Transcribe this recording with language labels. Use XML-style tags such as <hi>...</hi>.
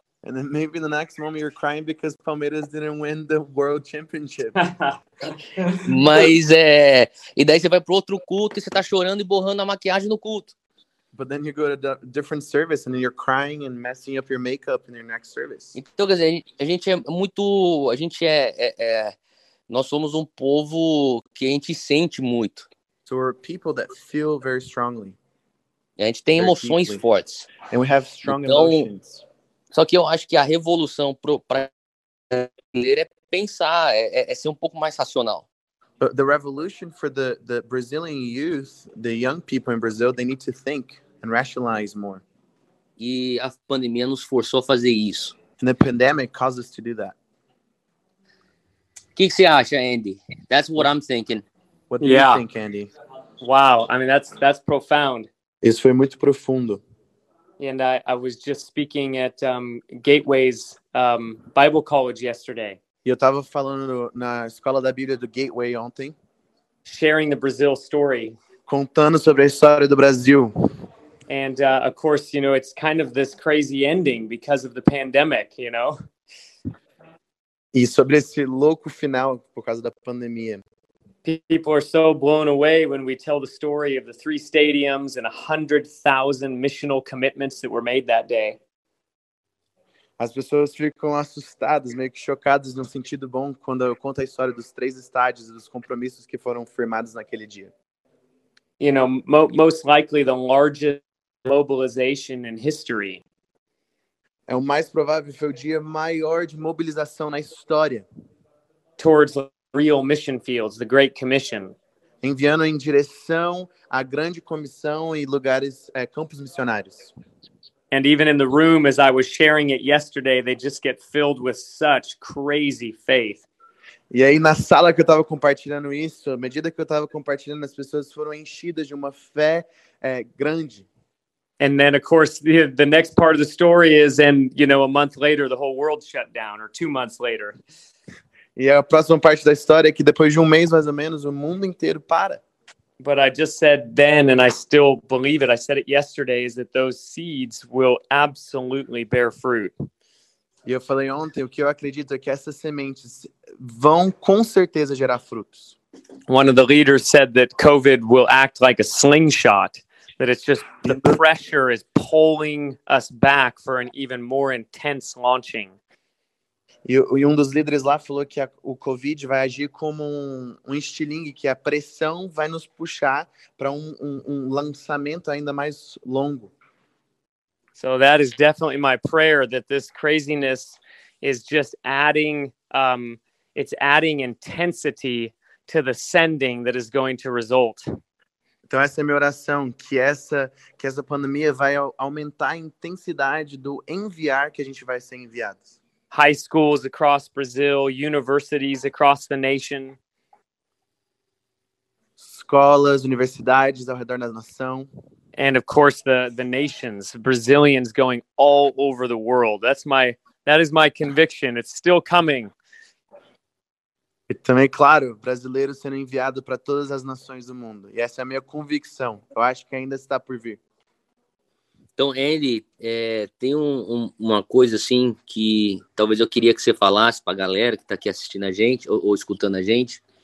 <en>And then maybe in the next moment you're crying because Palmeiras didn't win the World Championship.</en> <pt>Mas e daí você vai pro outro culto e você tá chorando e borrando a maquiagem no culto.</pt> <en>But then you go to a different service and then you're crying and messing up your makeup in your next service.</en> <pt>Então, quer dizer, nós somos um povo que a gente sente muito.</pt> <en>So we're people that feel very strongly.</en> <pt>E a gente tem emoções deeply. Fortes.</pt> <en>And we have strong emotions.</en> <pt>Só que eu acho que a revolução para brasileiro é pensar, é ser um pouco mais racional.</pt> <en>But the revolution for the Brazilian youth, the young people in Brazil, they need to think and rationalize more.</en> <pt>E a pandemia nos forçou a fazer isso.</pt> <en>And the pandemic caused us to do that.</en> <pt>O que você acha, Andy?</pt> <en>That's what I'm thinking. What do you think, Andy? Wow, I mean, that's profound.</en> <pt>Isso foi muito profundo.</pt> <en>And I was just speaking at Gateway's Bible College yesterday.</en> <pt>Eu estava falando na Escola da Bíblia do Gateway ontem.</pt> <en>Sharing the Brazil story.</en> <pt>Contando sobre a história do Brasil.</pt> <en>And of course, you know, it's kind of this crazy ending because of the pandemic, you know.</en> <pt>E sobre esse louco final por causa da pandemia.</pt> <en>People are so blown away when we tell the story of the 3 stadiums and 100,000 missional commitments that were made that day.</en> <pt>As pessoas ficam assustadas, meio que chocadas no sentido bom quando eu conto a história dos 3 estádios e dos compromissos que foram firmados naquele dia.</pt> <en>You know, most likely the largest mobilization in history.</en> <pt>É o mais provável foi o dia maior de mobilização na história.</pt> <en>Towards real mission fields, the Great Commission.</en> <pt>Enviando em direção à Grande Comissão e lugares, campos missionários.</pt> <en>And even in the room, as I was sharing it yesterday, they just get filled with such crazy faith.</en> <pt>E aí na sala que eu estava compartilhando isso, à medida que eu estava compartilhando, as pessoas foram enchidas de uma fé grande.</pt> <en>And then, of course, the next part of the story is, and you know, a month later, the whole world shut down, or 2 months later.</en> <pt>E a próxima parte da história é que depois de 1 mês, mais ou menos, o mundo inteiro para.</pt> <en>But I just said then, and I still believe it, I said it yesterday, is that those seeds will absolutely bear fruit.</en> <pt>E eu falei ontem, o que eu acredito é que essas sementes vão com certeza gerar frutos.</pt> <en>One of the leaders said that COVID will act like a slingshot. That it's just the pressure is pulling us back for an even more intense launching.</en> <pt>E um dos líderes lá falou que o COVID vai agir como um estilingue, que a pressão vai nos puxar para um lançamento ainda mais longo.</pt> <en>So that is definitely my prayer, that this craziness is just adding, it's adding intensity to the sending that is going to result.</en> <pt>Então essa é minha oração, que essa pandemia vai aumentar a intensidade do enviar que a gente vai ser enviados.</pt> <en>High schools across Brazil, universities across the nation.</en> <pt>Escolas, universidades ao redor da nação.</pt> <en>And of course the nations, Brazilians going all over the world. That is my conviction. It's still coming.</en> <pt>E também, claro, brasileiro sendo enviado para todas as nações do mundo. E essa é a minha convicção. Eu acho que ainda está por vir. Então, Andy, tem uma coisa assim que talvez eu queria que você falasse para a galera que está aqui assistindo a gente ou escutando a gente.</pt>